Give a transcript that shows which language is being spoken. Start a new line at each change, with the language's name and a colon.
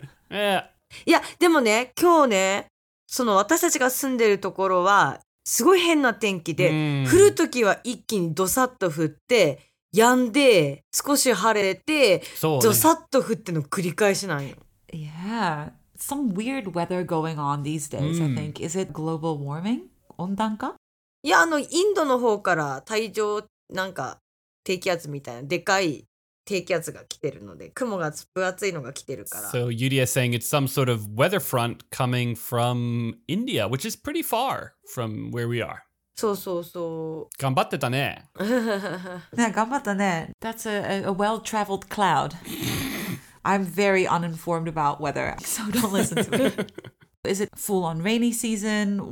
English: Yeah.
Japanese: いや、でもね、今日ね、その私たちが住んでるところは、すごい変な天気で、降るときは一気にドサッと降って、止んで、少し晴れて、そうね、ドサッと降っての繰り返しなんよ。
English: Yeah. Some weird weather going on these days, I think. Is it global warming? 温暖化? Yeah,
Japanese: インドの方から帯状なんか低気圧みたいな、でかい低気圧が来てるので、雲が分厚いのが来てるから。
English: So Yuri is saying it's some sort of weather front coming from India, which is pretty far from where we are.
Japanese: そうそうそう。頑張ってたね。ね、頑張ったね。
English: That's a well-traveled cloud. I'm very uninformed about weather, so don't listen to me. Is it full on rainy season?